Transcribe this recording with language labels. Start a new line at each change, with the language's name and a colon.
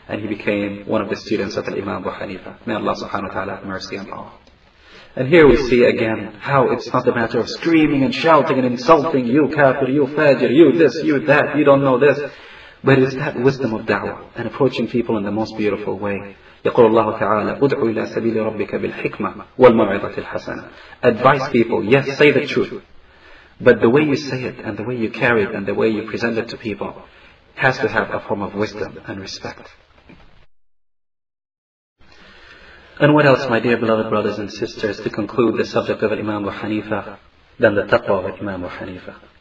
English: And he became one of the students of Imam Abu Hanifa. May Allah subhanahu wa ta'ala have mercy on all. And here we see again how it's not a matter of screaming and shouting and insulting, you kafir, you fajr, you this, you that, you don't know this. But it's that wisdom of da'wah and approaching people in the most beautiful way.
Arabic: يقول الله تعالى ادعو إلى سبيل ربك بالحكمة والموعظة الحسنة.
English: Advise people, yes, say the truth. But the way you say it and the way you carry it and the way you present it to people has to have a form of wisdom and respect. And what else, my dear beloved brothers and sisters, to conclude the subject of Imam Abu Hanifa than the taqwa of Imam Abu Hanifa?